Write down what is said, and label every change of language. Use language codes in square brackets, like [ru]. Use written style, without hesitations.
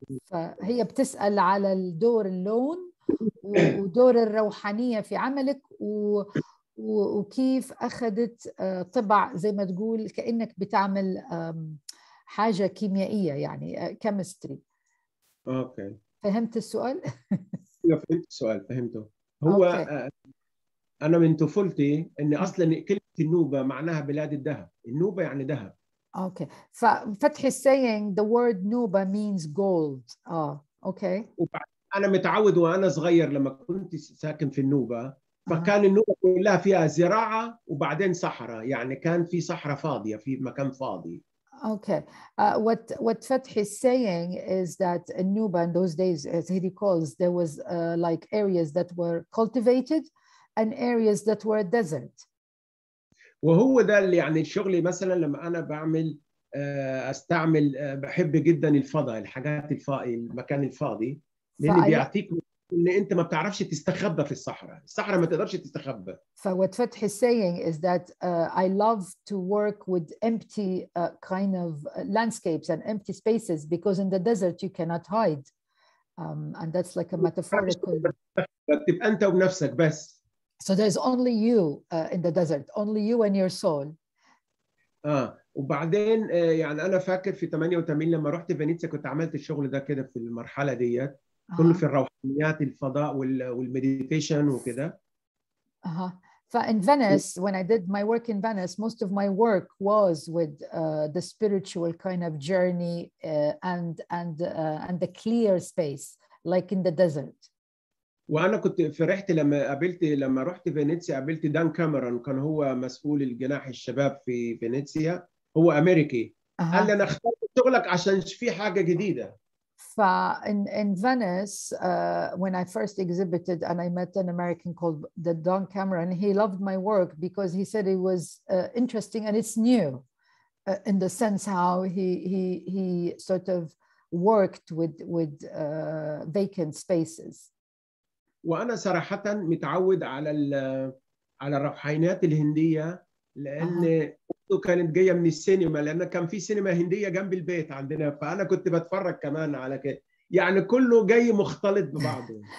[ar] فهي بتسأل على الدور اللون ودور الروحانية في عملك وكيف أخذت طبع زي ما تقول كأنك بتعمل حاجة كيميائية يعني chemistry. أوكي. فهمت السؤال؟ فهمت السؤال، فهمته. هو okay. أنا من طفولتي إني أصلاً كلمة النوبة معناها بلاد الذهب، النوبة يعني ذهب. [en] Okay, ففتحي saying the word نوبة means gold. [ar] أوكي. أنا متعود وأنا صغير لما كنت ساكن في النوبة، فكان النوبة كلها فيها زراعة وبعدين صحراء، يعني كان في صحراء فاضية في مكان فاضي. [en] Okay. What Fathi is saying is that in Nuba in those days, as he recalls, there was like areas that were cultivated and areas that were desert. [ar] وهو ده اللي يعني شغلي مثلا لما انا بعمل استعمل بحب جدا الفضاء الحاجات الفاضي المكان الفاضي اللي بيعطيك ان انت ما بتعرفش تستخبى في الصحراء الصحراء ما تقدرش تستخبى. [en] So what Fathi is saying is that I love to work with empty kind of landscapes and empty spaces because in the desert you cannot hide and that's like a metaphorical. [ar] تبقى انت وبنفسك بس. [en] So there's only you in the desert, only you and your soul. [ar] وبعدين يعني أنا فاكر في 88 لما رحت فينيسيا كنت عملت الشغل ده كده في المرحلة دي كله في الروحانيات الفضاء والميديتيشن وكده. [en] In Venice, when I did my work in Venice, most of my work was with the spiritual kind of journey and the clear space, like in the desert. [ar] وانا كنت فرحت لما قابلت لما رحت فينيسيا قابلت دان كاميرون كان هو مسؤول الجناح الشباب في فينيسيا هو امريكي قال لي انا اخترت شغلك عشان في حاجه جديده [en] ف in Venice when I first exhibited and I met an American called the Don Cameron he loved my work because he said it was interesting and it's new in the sense how he sort of worked with vacant spaces [ar] وانا صراحه متعود على على الروحانيات الهنديه لان كانت جايه من السينما لان كان في سينما هنديه جنب البيت عندنا فانا كنت بتفرج كمان على كده يعني كله جاي مختلط ببعضه